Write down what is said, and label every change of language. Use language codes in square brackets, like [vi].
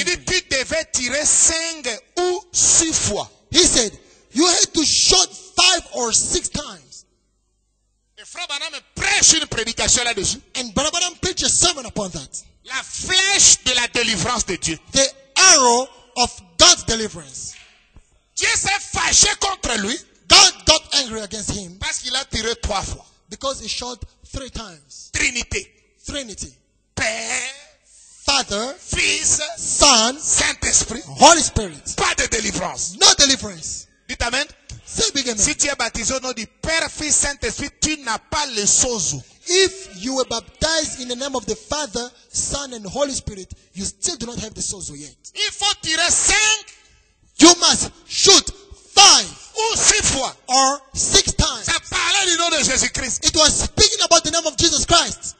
[fr] Il dit tu devais tirer cinq ou six fois. [en] He said you had to shoot five or six times. [fr] Et Frère Branham prêche une prédication là-dessus. [en] And Brother Branham preached a sermon upon that. [fr] La flèche de la délivrance de Dieu. [en] The arrow of God's deliverance. [fr] Dieu s'est fâché contre lui. [en] God got angry against him. [fr] Parce qu'il a tiré trois fois. [en] Because he shot three times. [fr] Trinité. [en] Trinity. [fr] Père. [en] Father. [fr] Fils. [en] Son. [fr] Saint-Esprit. [en] Holy Spirit. [fr] Pas de délivrance. [en] No deliverance. [fr] Dites amen. [en] Say big amen. [fr] Si tu es baptisé au nom du Père, Fils, Saint-Esprit, tu n'as pas le sozo. [en] If you were baptized in the name of the Father, Son, and Holy Spirit, you still do not have the sozo yet. [fr] Il faut tirer cinq. [en] You must shoot five. [fr] Ou six fois. [en] Or six times. [fr] Ça parlait du nom de Jésus-Christ. [en] It was speaking about the name of Jesus Christ.